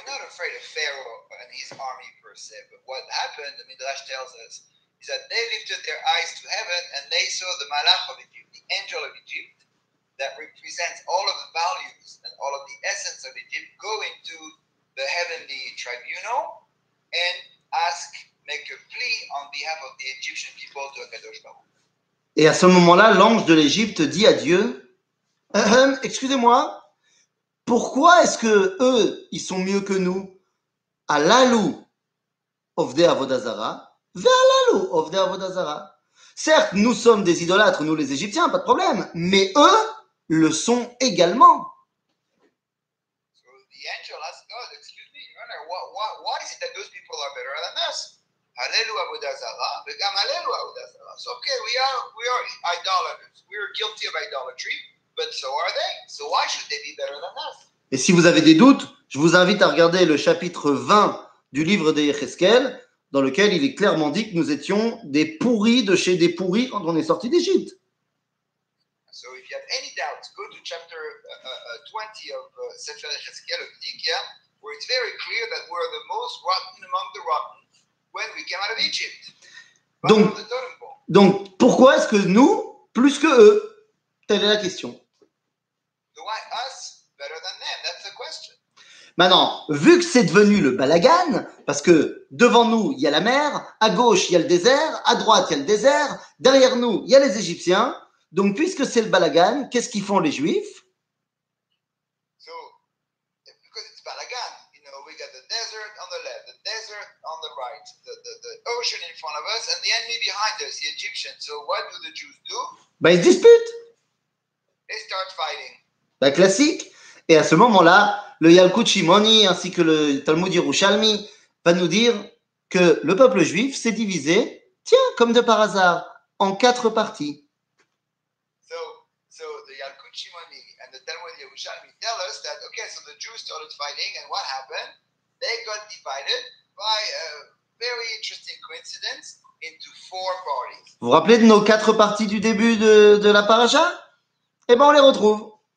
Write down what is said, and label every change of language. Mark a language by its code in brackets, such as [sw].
[en] What happened, the Midrash tells us, is that they lifted their eyes to heaven and they saw the Malach of Egypt, the angel of Egypt, that represents all of the values and all of the essence of Egypt, go into the heavenly tribunal and ask, make a plea on behalf of the Egyptian people to HaKadosh Baruch. [fr] Et à ce moment-là, l'ange de l'Égypte dit à Dieu, excusez-moi, pourquoi est-ce que eux, ils sont mieux que nous? [he] À la loue Ovdei Avodazara, Ve'alalu Ovdei Avodazara. [fr] Certes, nous sommes des idolâtres, nous les Égyptiens, pas de problème, mais eux le sont également. [en] So the angel asked God, excuse me, you know, why is it that those people are better than us? [he] Alelu Avodazara, Ve'gam Alelu Avodazara. [en] So okay, we are idolaters, we are guilty of idolatry, but so are they. So why should they be better than us? [fr] Et si vous avez des doutes, je vous invite à regarder le chapitre 20 du livre des Yéhézkel, dans lequel il est clairement dit que nous étions des pourris de chez des pourris quand on est sorti d'Égypte. [en] So if you have any doubts, go to chapter 20 of Sefer Yéhézkel of Nikia, where it's very clear that we're the most rotten among the rotten when we came out of Egypt. [fr] Donc pourquoi est-ce que nous plus que eux? Telle est la question. [en] Why us better than them? That's the question. [fr] Maintenant, vu que c'est devenu le balagan, parce que devant nous, il y a la mer, à gauche, il y a le désert, à droite, il y a le désert, derrière nous, il y a les Égyptiens. Donc, puisque c'est le balagan, qu'est-ce qu'ils font les Juifs? [en] So, because it's balagan, you know, we got the desert on the left, the desert on the right, the ocean in front of us, and the enemy behind us, the Egyptians. So, what do the Jews do? [fr] Ben, ils disputent. [en] They start fighting. [fr] La classique. Et à ce moment-là, le Yalkut Shimoni ainsi que le Talmud Yerushalmi va nous dire que le peuple juif s'est divisé, tiens, comme de par hasard, en quatre parties. [en] So the Yalkut Shimoni and the Talmud Yerushalmi tell us that, okay, so the Jews started fighting, and what happened? They got divided by a very interesting coincidence into four parties. [fr] Vous vous rappelez de nos quatre parties du début de la paracha? Eh bien, on les retrouve.